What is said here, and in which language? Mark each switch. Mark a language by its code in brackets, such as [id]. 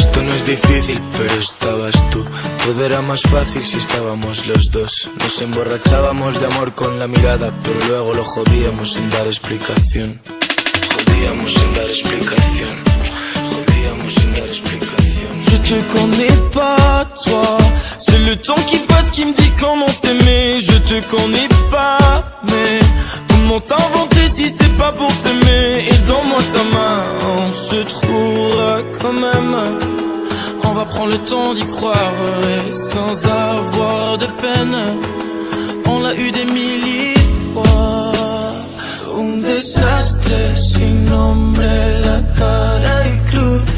[es] Esto no es difícil, pero estabas tú. Todo era más fácil si estábamos los dos. Nos emborrachábamos de amor con la mirada, pero luego lo jodíamos sin dar explicación. Jodíamos sin dar explicación. Jodíamos sin dar explicación. [fr] Je te connais pas, toi. C'est le temps qui passe qui me dit comment t'aimer. Je te connais pas, mais comment t'inventer si c'est pas pour t'aimer. Et donne-moi ta main, on se trouvera quand même. On va prendre le temps d'y croire, et sans avoir de peine. On l'a eu des milliers de fois. [es] Un desastre sin nombre, la cara y cruz.